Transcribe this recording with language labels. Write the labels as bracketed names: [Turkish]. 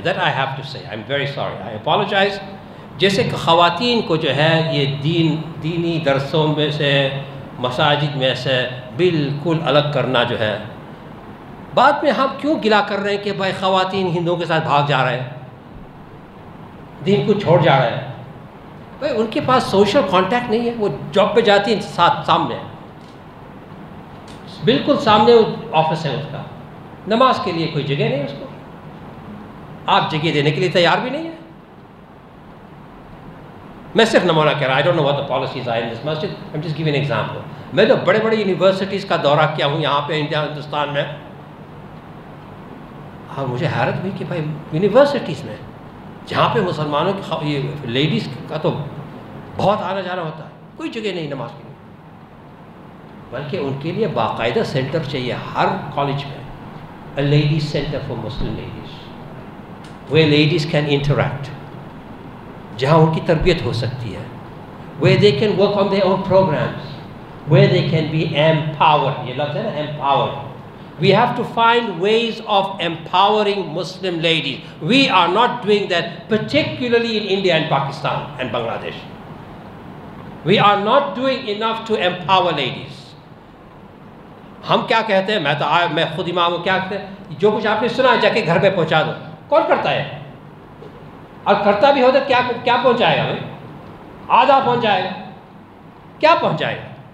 [English] That I have to say, I am very sorry, I apologize. [Urdu] جیسے کہ خواتین کو جو ہے یہ دینی درسوں میں سے، مساجد میں سے بالکل الگ کرنا جو ہے، بعد میں ہم کیوں گلا کر رہے ہیں کہ بھائی خواتین ہندوؤں کے ساتھ بھاگ جا رہے ہیں، دین کو چھوڑ جا رہے ہیں؟ بھائی ان کے پاس سوشل کانٹیکٹ نہیں ہے، وہ جاب پہ جاتی ہیں ساتھ، سامنے بالکل سامنے آفس ہے اس کا، نماز کے لیے کوئی جگہ نہیں اس کو. آپ جگہ دینے کے لیے تیار بھی نہیں ہے. میں صرف نمونہ کہہ رہا ہوں, [English] I don't know what the policies are in this masjid, I'm just giving an example. [Urdu] میں تو بڑے بڑے یونیورسٹیز کا دورہ کیا ہوں یہاں پہ انڈیا ہندوستان میں, اور مجھے حیرت ہوئی کہ بھائی یونیورسٹیز میں جہاں پہ مسلمانوں کی لیڈیز کا تو بہت آنا جانا ہوتا ہے, کوئی جگہ نہیں نماز کے لیے, بلکہ ان کے لیے باقاعدہ سینٹر چاہیے ہر کالج میں, [English] a ladies centre for Muslim ladies, where ladies can interact, [Urdu] جہاں ان کی تربیت ہو سکتی ہے, [English] Where they can work on their own programmes, where they can be empowered. [Urdu] یہ لفظ ہے نا empowered, [English] we have to find ways of empowering Muslim ladies. We are not doing that, particularly in India and Pakistan and Bangladesh. We are not doing enough to empower ladies. [Urdu] ہم کیا کہتے ہیں, میں تو میں خود امام ہوں, کیا کہتے ہیں جو کچھ آپ نے سنا جا کے گھر پہ پہنچا دو, کون کرتا ہے, اور کرتا بھی ہو تو کیا پہنچائے گا, ہمیں آدھا پہنچائے گا, کیا پہنچائے گا.